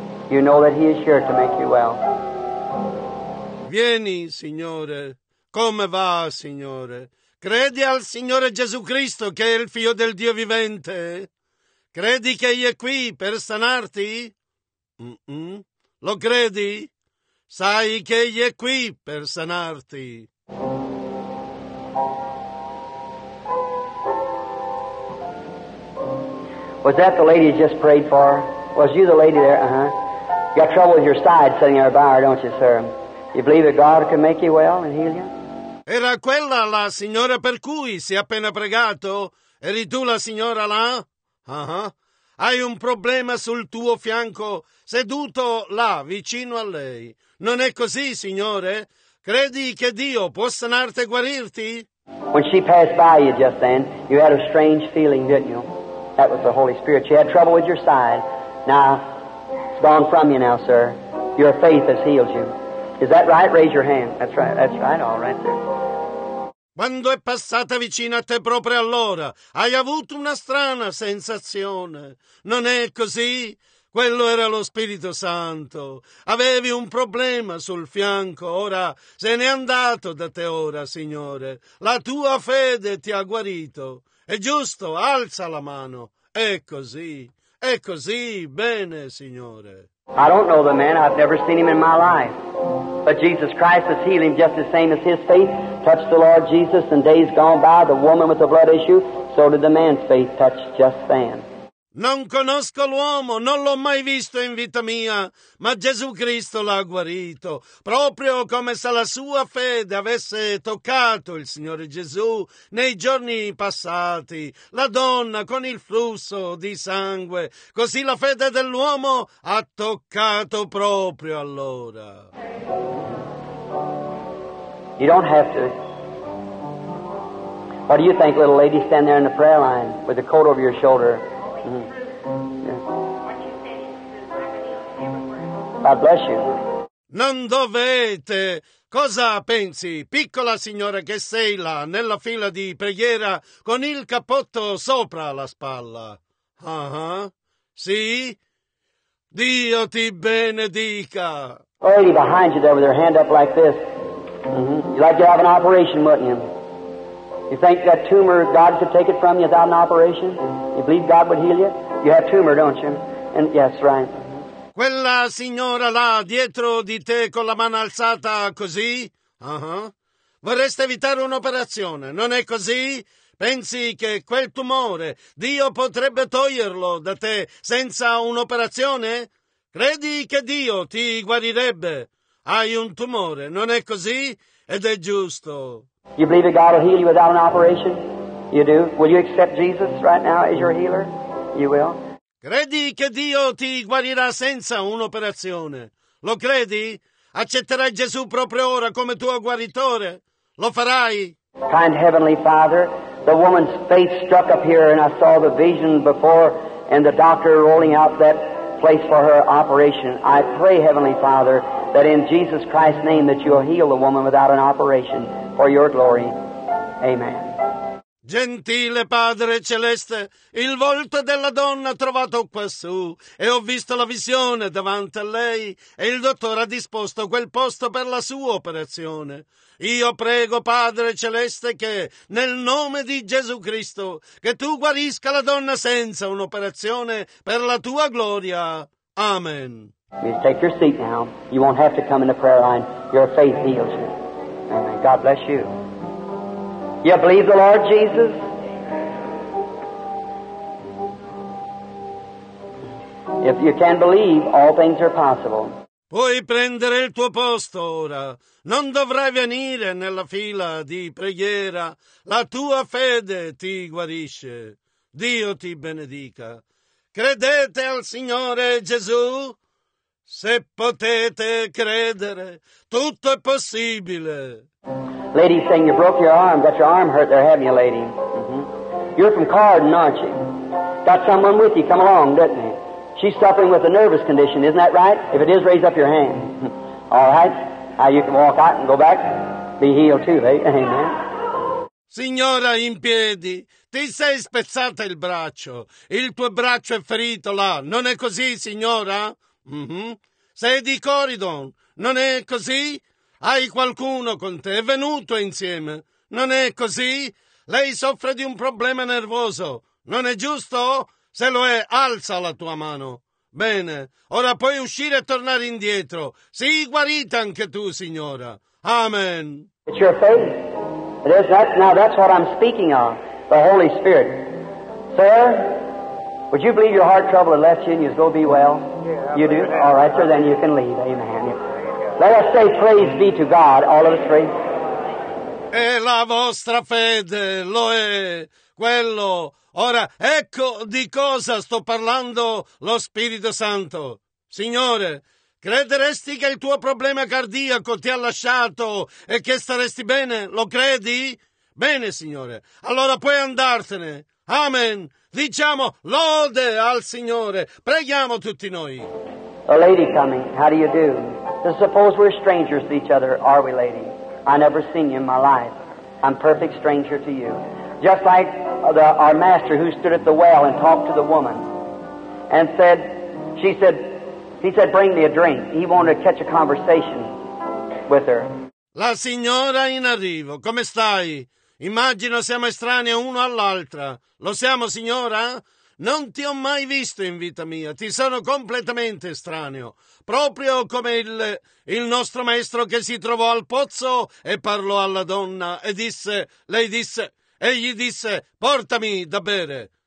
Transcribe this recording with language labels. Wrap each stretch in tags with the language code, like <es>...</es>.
<en>You know that He is here to make you well.</en> <it>Vieni, Signore. Come va, Signore? Credi al Signore Gesù Cristo, che è il Figlio del Dio vivente? Credi che Egli è qui per sanarti? Mm-mm. Lo credi? Sai che Egli è qui per sanarti.</it> <en>Was that the lady just prayed for? Was you the lady there? Uh-huh. You got trouble with your side sitting there by her, don't you, sir? You believe that God can make you well and heal you?</en> <it>Era quella la signora per cui si è appena pregato? Eri tu la signora là? Uh-huh. Hai un problema sul tuo fianco, seduto là, vicino a lei. Non è così, signore? Credi che Dio può sanarti e guarirti?</it> <en>When she passed by you just then, you had a strange feeling, didn't you? That was the Holy Spirit. She had trouble with your side. Now, it's gone from you now, sir. Your faith has healed you. Is that right? Raise your hand. That's right. That's right. All right, sir.</en> <it>Quando è passata vicino a te proprio allora, hai avuto una strana sensazione. Non è così? Quello era lo Spirito Santo. Avevi un problema sul fianco, ora se n'è andato da te ora, Signore. La tua fede ti ha guarito. È giusto, alza la mano. È così, bene, Signore.</it> <en>I don't know the man, I've never seen him in my life. But Jesus Christ has healed him just the same as his faith touched the Lord Jesus in days gone by, the woman with the blood issue, so did the man's faith touch just then.</en> <it>Non conosco l'uomo, non l'ho mai visto in vita mia, ma Gesù Cristo l'ha guarito. Proprio come se la sua fede avesse toccato il Signore Gesù nei giorni passati, la donna con il flusso di sangue. Così la fede dell'uomo ha toccato proprio allora.</it> <en>You don't have to. What do you think, little lady, stand there in the prayer line with the coat over your shoulder? God bless you.</en> <it>Non dovete. Cosa pensi, piccola signora che sei là nella fila di preghiera con il cappotto sopra la spalla? Uh-huh. Sì? Dio ti benedica.</it> <en>Oh, lady behind you there with her hand up like this. Mm-hmm. You'd like to have an operation, wouldn't you? You think that tumor, God could take it from you without an operation? You believe God would heal you? You have tumor, don't you? And yes, right.</en> <it>Quella signora là, dietro di te, con la mano alzata, così? Uh-huh. Vorreste evitare un'operazione, non è così? Pensi che quel tumore, Dio potrebbe toglierlo da te senza un'operazione? Credi che Dio ti guarirebbe? Hai un tumore, non è così? Ed è giusto.</it> <en>You believe that God will heal you without an operation? You do? Will you accept Jesus right now as your healer? You will?</en> <it>Credi che Dio ti guarirà senza un'operazione? Lo credi? Accetterai Gesù proprio ora come tuo guaritore? Lo farai?</it> <en>Kind Heavenly Father, the woman's faith struck up here and I saw the vision before and the doctor rolling out that place for her operation. I pray, Heavenly Father, that in Jesus Christ's name that you'll heal the woman without an operation for your glory. Amen.</en> <it>Gentile Padre Celeste, il volto della donna trovato quassù, e ho visto la visione davanti a lei, e il dottore ha disposto quel posto per la sua operazione. Io prego, Padre Celeste, che, nel nome di Gesù Cristo, che tu guarisca la donna senza un'operazione per la tua gloria. Amen.</it> <en>You take your seat now. You won't have to come in the prayer line. Your faith heals you. Amen. God bless you. You believe the Lord Jesus? If you can believe, all things are possible.</en> <it>Puoi prendere il tuo posto ora. Non dovrai venire nella fila di preghiera. La tua fede ti guarisce. Dio ti benedica. Credete al Signore Gesù? Se potete credere, tutto è possibile.</it> <en>Lady, saying you broke your arm, got your arm hurt there, haven't you, lady? You're from Carden, aren't you? Got someone with you, come along, doesn't he? She's suffering with a nervous condition, isn't that right? If it is, raise up your hand. All right, now you can walk out and go back, be healed too, eh? Amen.</en> <it>Signora in piedi, ti sei spezzata il braccio. Il tuo braccio è ferito là, non è così, signora? Sei di Corydon, non è così? Hai qualcuno con te, è venuto insieme, non è così? Lei soffre di un problema nervoso, non è giusto? Se lo è, alza la tua mano. Bene, ora puoi uscire e tornare indietro. Sii guarita anche tu, signora. Amen.</it> <en>It's your faith. It is that, now that's what I'm speaking of, the Holy Spirit. Sir, would you believe your heart trouble had left you and you'd go be well? Yeah, you do? It. All right, sir, then you can leave. Amen. Let us say praise be to God, all of us three.</en> <it>E la vostra fede lo è quello. Ora, ecco di cosa sto parlando lo Spirito Santo. Signore, crederesti che il tuo problema cardiaco ti ha lasciato e che staresti bene? Lo credi? Bene, Signore. Allora puoi andartene. Amen. Diciamo lode al Signore. Preghiamo tutti noi.</it> <en>A lady coming. How do you do? So suppose we're strangers to each other, are we, lady? I never seen you in my life. I'm perfect stranger to you. Just like our master who stood at the well and talked to the woman and said, he said, bring me a drink. He wanted to catch a conversation with her.</en> <it>La signora in arrivo, come stai? Immagino siamo estranei uno all'altra. Lo siamo, signora? Non ti ho mai visto in vita mia, ti sono completamente estraneo. Proprio come il nostro maestro che si trovò al pozzo e parlò alla donna e disse, lei disse, egli disse, portami da bere.</it>